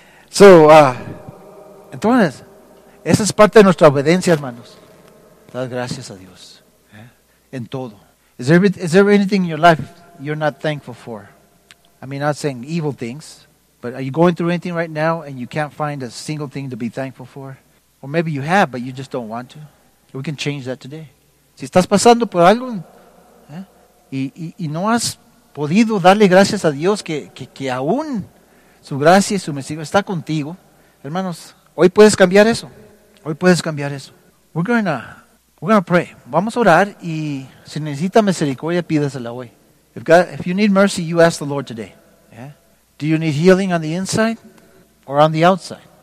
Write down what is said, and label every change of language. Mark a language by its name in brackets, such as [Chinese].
[Spanish] So, entonces, esa es parte de nuestra obediencia, hermanos. Dar gracias a Dios. Yeah. En todo. [English] Is there anything in your life you're not thankful for? I mean, not saying evil things, but are you going through anything right now and you can't find a single thing to be thankful for? Or maybe you have, but you just don't want to. We can change that today. [Spanish] Si estás pasando por algo, y no has podido darle gracias a Dios que aún su gracia y su misericordia está contigo, hermanos, hoy puedes cambiar eso. Hoy puedes cambiar eso. [English] We're gonna pray. [Spanish] Vamos a orar y si necesita misericordia, pídasela hoy. [English] If you need mercy, you ask the Lord today. Yeah. Do you need healing on the inside or on the outside?